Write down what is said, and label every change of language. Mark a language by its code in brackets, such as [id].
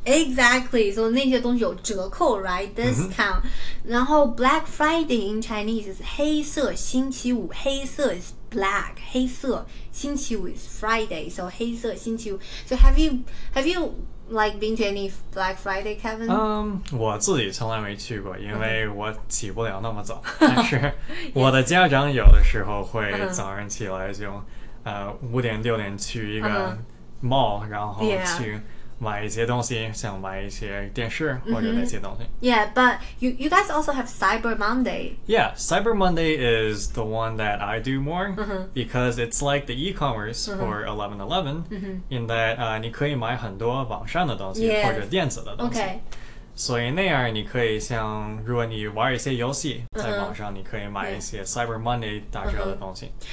[en] Exactly, so 那些东西有折扣, right? Discount. Mm-hmm. 然后 Black Friday in Chinese is 黑色星期五, 黑色 is black, 黑色星期五 is Friday, so 黑色星期五. So have you like been to any Black Friday, Kevin? [zh] 我自己从来没去过，因为我起不了那么早。但是我的家长有的时候会早上起来就五点六点去一个mall, 然后去买一些东西，想买一些电视或者那些东西。 [en] Yeah, but you guys also have Cyber Monday. Yeah, Cyber Monday is the one that I do more because it's like the e-commerce for 11-11 in that 你可以买很多网上的东西或者电子的东西。 Okay. [zh] 所以那样你可以像如果你玩一些游戏在网上你可以买一些 Cyber Monday 打折的东西、